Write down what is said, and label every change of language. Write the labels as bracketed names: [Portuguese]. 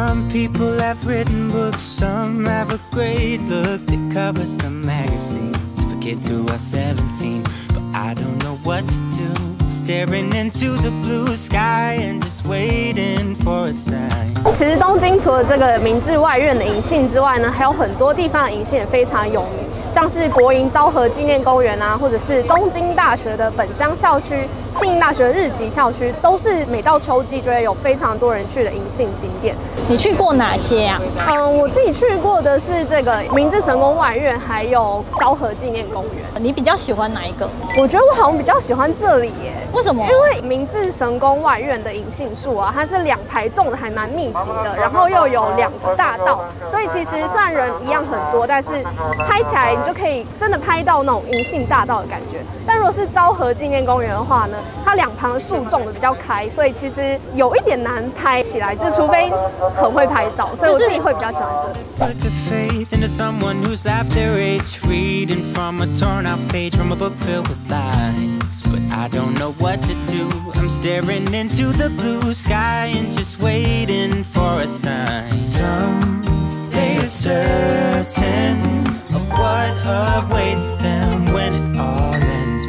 [English] People have written books, some have a great look that covers the magazines for kids who are 17. But I don't know what to do, staring into the blue sky and just waiting for a sign. [Chinese] 其实东京除了这个明治外苑的银杏之外呢，还有很多地方的银杏也非常有名，像是国营昭和纪念公园啊，或者是东京大学的本乡校区、庆应大学的日吉校区，都是每到秋季就会有非常多人去的银杏景点。你去过哪些啊？我自己去过的是这个明治神宫外苑，还有昭和纪念公园。你比较喜欢哪一个？我觉得我好像比较喜欢这里耶。为什么？因为明治神宫外苑的银杏树啊，它是两排种的，还蛮密。然后又有2个大道，所以其实虽然人一样很多，但是拍起来你就可以真的拍到那种银杏大道的感觉。但如果是昭和纪念公园的话呢，它两旁的树种的比较开，所以其实有一点难拍起来，就除非很会拍照，所以我自己会比较喜欢这个。 [English] Put the faith into someone who's half their age, reading from a torn out page from a book filled with lies. But I don't know what to do. I'm staring into the blue sky and just waiting for a sign. Someday a certain of what awaits them when it all ends.